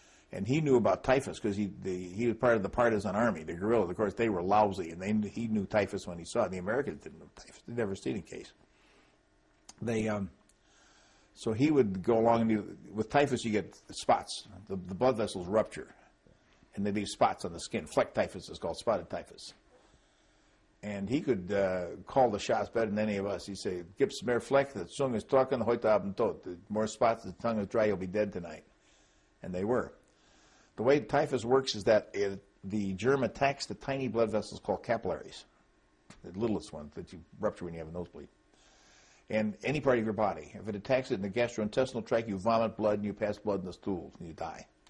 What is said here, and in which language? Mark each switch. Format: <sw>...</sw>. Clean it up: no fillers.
<en>And he knew about typhus because he was part of the partisan army, the guerrillas. Of course, they were lousy, and he knew typhus when he saw it. The Americans didn't know typhus. They'd never seen a case. So he would go along, and with typhus you get spots. The blood vessels rupture, and they leave spots on the skin. Fleck typhus is called, spotted typhus. And he could call the shots better than any of us.</en> <de>He'd say, "Gibt's mehr Fleck, the Zunge ist trocken, heute Abend tot."</de> <en>The more spots, the tongue is dry, you'll be dead tonight. And they were. The way typhus works is that the germ attacks the tiny blood vessels called capillaries, the littlest ones that you rupture when you have a nosebleed, and any part of your body. If it attacks it in the gastrointestinal tract, you vomit blood and you pass blood in the stool and you die.</en>